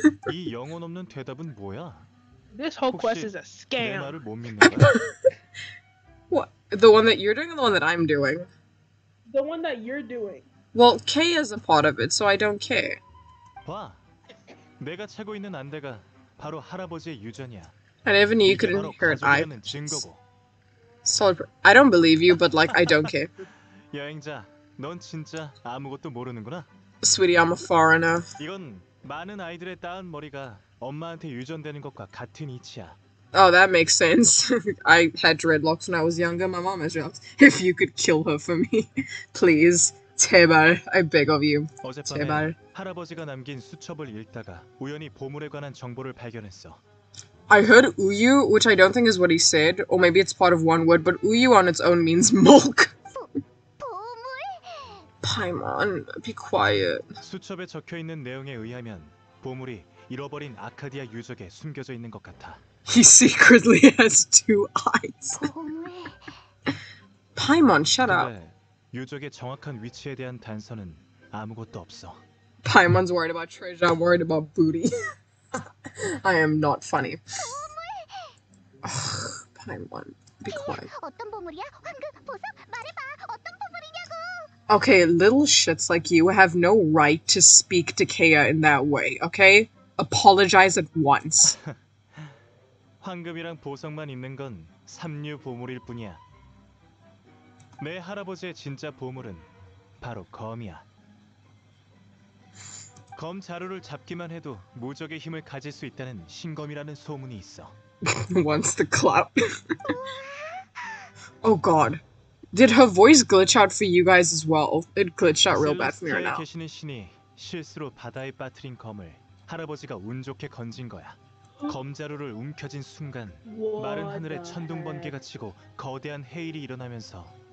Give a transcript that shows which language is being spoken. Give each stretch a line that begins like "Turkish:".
Korean: 이 영혼 없는 대답은 뭐야?
English: This whole quest is a scam.
Korean: 내 말을 못 믿는다.
English: What? The one that you're doing or the one that I'm doing? The one that you're doing. Well, K is a part of it, so I don't care.
Korean: 봐, 내가 차고 있는 안대가 바로 할아버지의 유전이야.
English: I never knew you could inherit iPads. I don't believe you, but like, I don't care.
Korean: 여행자, 넌 진짜 아무것도 모르는구나.
English: Sweetie, I'm a foreigner.
Korean: 이건 많은 아이들의 따은 머리가 엄마한테 유전되는 것과 같은 이치야.
English: Oh, that makes sense. I had dreadlocks when I was younger. My mom has dreadlocks. If you could kill her for me, please.
Korean: 제발,
English: I beg of you.
Korean: 어젯밤에 제발. 할아버지가 남긴 수첩을 읽다가 우연히 보물에 관한 정보를 발견했어.
English: I heard 우유, which I don't think is what he said, or maybe it's part of one word, but 우유 on its own means milk.
Korean: 보물?
English: Paimon, be quiet.
Korean: 수첩에 적혀 있는 내용에 의하면 보물이 잃어버린 아카디아 유적에 숨겨져 있는 것 같아.
English: He secretly has two eyes. Paimon, shut up.
Korean: 유적의 정확한 위치에 대한 단서는 아무것도 없어.
English: Paimon's worried about treasure. I'm worried about booty. I am not funny. Paimon, be quiet.
Korean: 어떤 보물이야? 황금, 보석, 말해봐. 어떤 보물이냐고?
English: Okay, little shits like you have no right to speak to Kea in that way. Okay? Apologize at once.
Korean: 황금이랑 보석만 있는 건 삼류 보물일 뿐이야. 내 할아버지의 진짜 보물은 바로 검이야. 검 자루를 잡기만 해도 무적의 힘을 가질 수 있다는 신검이라는 소문이 있어.
English: What's the clap? Oh god. Did her voice glitch out for you guys as well? It glitched out real bad for me right now.
Korean: 셀레스티아에 계시는 신이 실수로 바다에 빠뜨린 검을 할아버지가 운 좋게 건진 거야. 검 자루를 움켜쥔 순간 마른 하늘에 천둥 번개가 치고 거대한 해일이 일어나면서